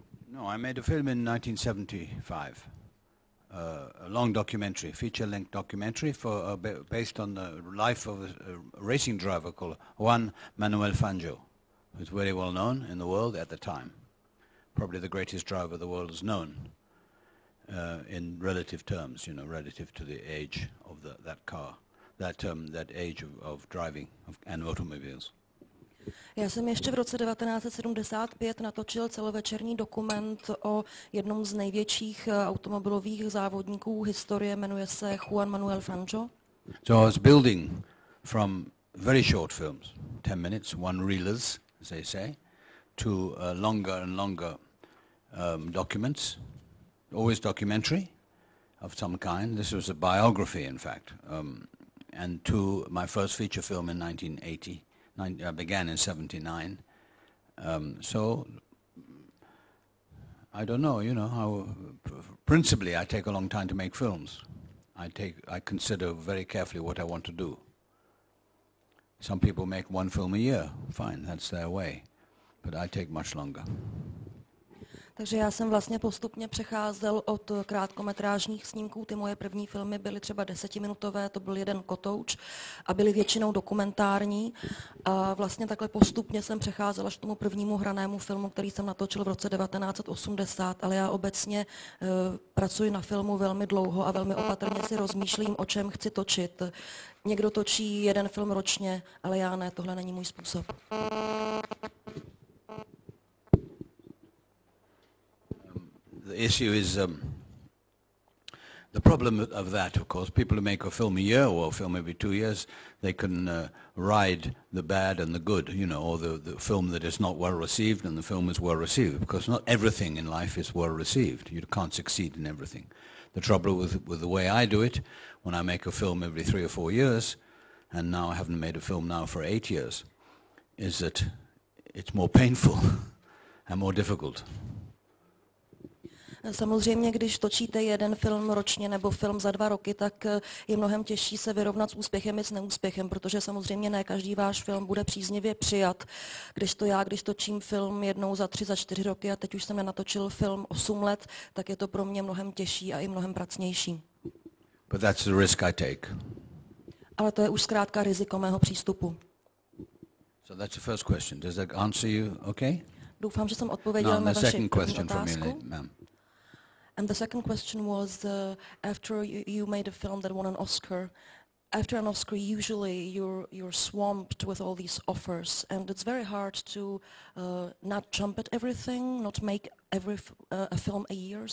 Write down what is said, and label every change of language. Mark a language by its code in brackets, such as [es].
[en] No, I made a film in 1975, a long documentary, feature-length documentary for based on the life of a racing driver called Juan Manuel Fangio, who's very well known in the world at the time, probably the greatest driver the world has known in relative terms, you know, relative to the age of that car, that age of driving and automobiles. Já jsem ještě v roce 1975 natočil celovečerní dokument o jednom z největších automobilových závodníků historie, jmenuje se Juan Manuel Fangio. So I was building from very short films, 10 minutes, one reelers, as they say, to longer and longer documents, always documentary of some kind. This was a biography, in fact, and to my first feature film in 1980. I began in 79, so I don't know, you know, how principally I take a long time to make films. I consider very carefully what I want to do. Some people make one film a year, fine, that's their way, but I take much longer. [cs] Takže já jsem vlastně postupně přecházel od krátkometrážních snímků. Ty moje první filmy byly třeba desetiminutové, to byl jeden kotouč a byly většinou dokumentární. A vlastně takhle postupně jsem přecházel až k tomu prvnímu hranému filmu, který jsem natočil v roce 1980, ale já obecně pracuji na filmu velmi dlouho a velmi opatrně si rozmýšlím, o čem chci točit. Někdo točí jeden film ročně, ale já ne, tohle není můj způsob. [en] The issue is the problem of that, of course. People who make a film a year or a film every 2 years, they can ride the bad and the good, you know, or the film that is not well received and the film is well received, because not everything in life is well received. You can't succeed in everything. The trouble with the way I do it, when I make a film every 3 or 4 years, and now I haven't made a film now for 8 years, is that it's more painful and more difficult. [cs] Samozřejmě, když točíte jeden film ročně nebo film za dva roky, tak je mnohem těžší se vyrovnat s úspěchem i s neúspěchem, protože samozřejmě ne každý váš film bude příznivě přijat. Když to já, když točím film jednou za tři, za čtyři roky a teď už jsem nenatočil film 8 let, tak je to pro mě mnohem těžší a i mnohem pracnější. [en] But that's the risk I take. [cs] Ale to je už zkrátka riziko mého přístupu. [en] So that's the first question. Does that answer you? Okay? [cs] Doufám, že jsem odpověděl na vaši [en] second question from you, ma'am. And the second question was, after you made a film that won an Oscar, after an Oscar, usually you're swamped with all these offers, and it's very hard to not jump at everything, not make every a film a year.